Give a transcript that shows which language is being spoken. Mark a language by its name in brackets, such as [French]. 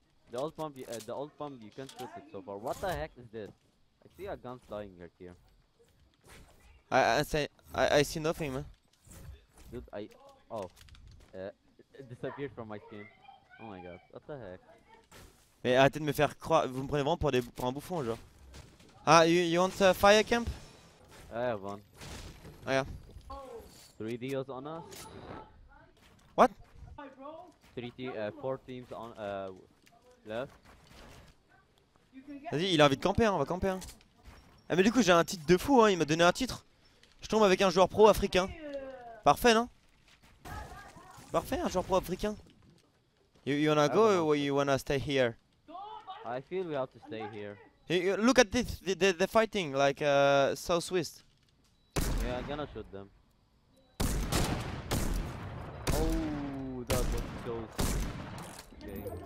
[English] The old pump, you can't shoot it so far. What the heck is this? I see a gun flying right here. I see nothing, man. Dude, it disappeared from my skin. Oh my god, what the heck? [French] Mais arrêtez de me faire croire, vous me prenez vraiment pour un bouffon, genre. [English] Ah, you want a fire camp? I have one. Oh yeah. 3 deals on us. What? 4 teams on left. [French] Vas-y, il a envie de camper, hein, on va camper. Hein. Ah mais du coup j'ai un titre de fou, hein, il m'a donné un titre. Je tombe avec un joueur pro africain. Parfait, non? Parfait, un joueur pro africain. [English] You wanna go or you wanna stay here? I feel we have to stay here. Look at this, the fighting, like Southwest. Yeah, I'm gonna shoot them. Oh, that was close. Okay.